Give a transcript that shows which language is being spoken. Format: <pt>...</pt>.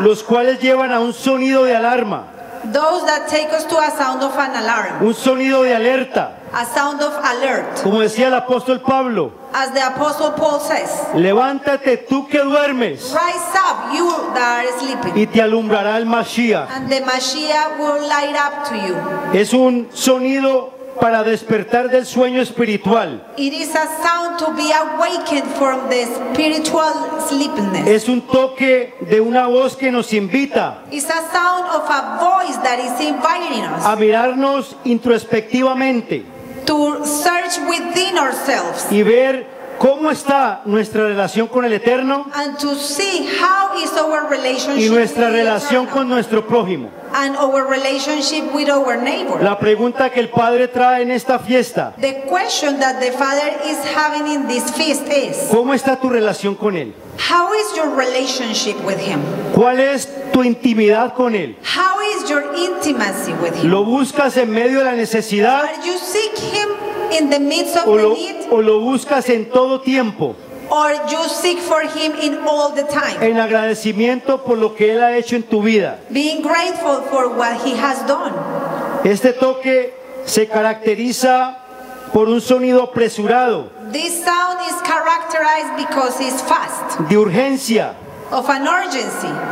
<es>Los cuales llevan a un sonido de alarma.</es> <en>Those that take us to a sound of an alarm.</en> <es>Un sonido de alerta.</es> <en>A sound of alert.</en> <es>Como decía el apóstol Pablo.</es> <en>As the apostle Paul says.</en> <es>Levántate tú que duermes.</es> <en>Rise up, you that are sleeping.</en> <es>Y te alumbrará el Mashiach.</es> <en>And the Mashiach will light up to you.</en> <es>Es un sonido para despertar del sueño espiritual.</es> <en>It is a sound to be awakened from the spiritual sleepiness.</en> <es>Es un toque de una voz que nos invita.</es> <en>It's a sound of a voice that is inviting us.</en> <es>A mirarnos introspectivamente.</es> <en>To search within ourselves.</en> <es>Y ver cómo está nuestra relación con el Eterno.</es> <en>And to see how is our relationship.</en> <es>Y nuestra relación con nuestro prójimo.</es> <en>And our relationship with our neighbor.</en> <es>La pregunta que el Padre trae en esta fiesta.</es> <en>The question that the Father is having in this feast is.</en> <es>¿Cómo está tu relación con él?</es> <en>How is your relationship with him?</en> <es>¿Cuál es tu intimidad con él?</es> <en>How is your intimacy with him?</en> <es>¿Lo buscas en medio de la necesidad?</es> <en>Are you seek him in the midst of the need?</en> <es>¿O lo buscas en todo tiempo?</es> <en>Or you seek for him in all the time.</en> <es>En agradecimiento por lo que él ha hecho en tu vida.</es> <en>Being grateful for what he has done.</en> <es>Este toque se caracteriza por un sonido apresurado.</es> <en>This sound is characterized because it's fast.</en> <es>De urgencia.</es> <en>Of an urgency.</en>